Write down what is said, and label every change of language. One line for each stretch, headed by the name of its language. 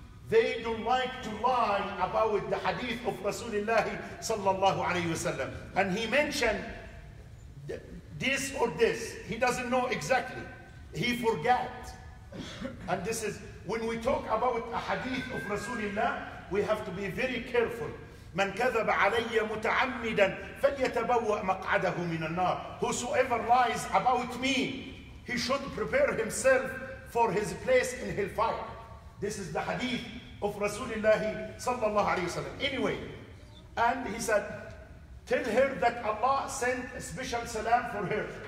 English: They don't like to lie about the hadith of Rasulullah sallallahu alayhi wasallam. And he mentioned this or this. He doesn't know exactly. He forgot. And this is when we talk about a hadith of Rasulullah, we have to be very careful.
Arabic: من كذب علي متعمدا فليتبوأ مقعده من النار.
English: Whosoever lies about me, he should prepare himself for his place in hellfire. This is the hadith of Rasulullah sallallahu alayhi wa sallam. Anyway, and he said, tell her that Allah sent a special salam for her.